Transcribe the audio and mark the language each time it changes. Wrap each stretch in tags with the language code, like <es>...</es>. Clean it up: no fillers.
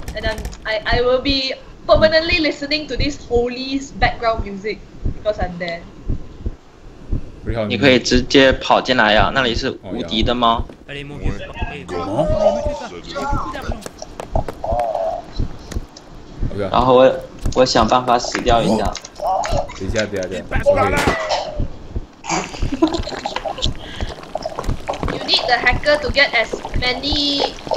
<en>And then I will be permanently listening to this holy background music because I'm there.</en> <zh>你可以直接跑进来呀，那里是无敌的吗？</zh> <en>Oh, yeah.</en> <zh>然后我想办法死掉一下。等一下。</zh> <en>You need the hacker to get as many.</en>